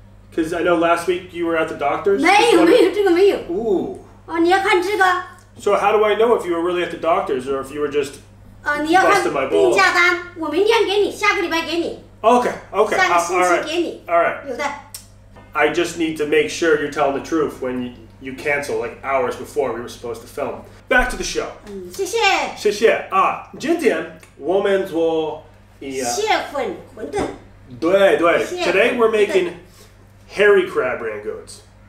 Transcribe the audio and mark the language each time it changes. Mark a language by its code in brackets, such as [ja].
[en] Because I know last week you were at the doctor's. [zh] 没有, 这个没有。 Ooh. 你要看这个。 [en] So how do I know if you were really at the doctor's or if you were just busting my balls? [zh] 你要看病假单,我明天给你,下个礼拜给你。 [en] Okay. [zh] 下个星期给你。 [en] All right. [zh] 有的。 [en] I just need to make sure you're telling the truth when you cancel like hours before we were supposed to film. Back to the show. [zh] 谢谢。今天我们做... 蟹粉馄饨。对。 [en] Today we're making hairy crab rangoons.